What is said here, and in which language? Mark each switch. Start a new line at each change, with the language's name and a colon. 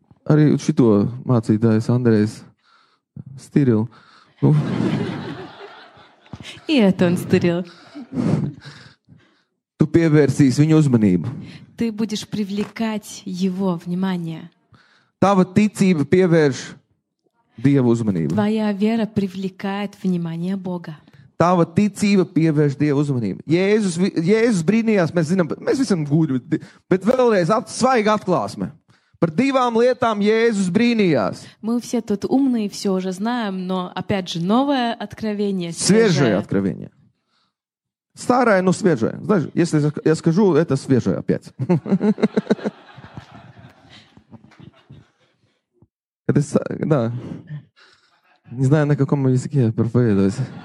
Latvian: Arī šito mācītājs Andrejs Stirilu. Nu.
Russian: И это он Стирил.
Latvian: Tu pievērsīs viņu uzmanību.
Russian: Ты будешь привлекать его внимание.
Latvian: Tava ticība pievērš Dievu uzmanību.
Russian: Твоя вера привлекает внимание Бога.
Latvian: Tava ticība pievērš Dievu uzmanību. Jēzus brīnījās, mēs zinām, mēs visam gūļi, bet vēlreiz svaiga atklāsme. Par divām lietām Jēzus brīnījās.
Russian: Мы все тут умные, все уже знаем, но опять же новое откровение. Свежее откровение. Старое, но свежее. Знаешь, если я скажу, это свежее опять. Это, да. Не знаю, на каком языке я проповедуюсь.